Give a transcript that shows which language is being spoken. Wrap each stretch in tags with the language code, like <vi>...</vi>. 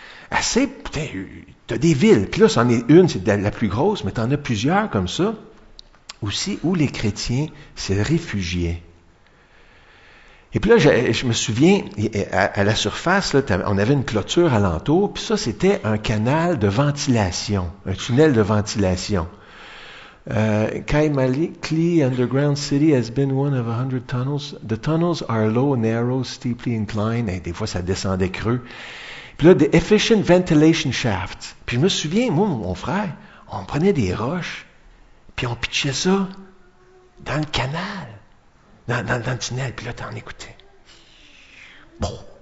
<fr>Assez, t'as des villes. Puis là, c'en est une, c'est la plus grosse, mais t'en as plusieurs comme ça. Aussi, où les chrétiens se réfugiaient. Et puis là, je me souviens, à la surface, là, on avait une clôture alentour, puis ça, c'était un canal de ventilation, un tunnel de ventilation.</fr> <en>Kai Malikli Underground City has been one of 100 tunnels. The tunnels are low, narrow, steeply inclined.</en> <fr>Et des fois, ça descendait creux. Puis là,</fr> <en>the efficient ventilation shafts.</en> <fr>Puis je me souviens, moi, mon frère, on prenait des roches, puis on pitchait ça dans le canal. Dans le tunnel, puis là, t'en écoutais. Bon.</fr>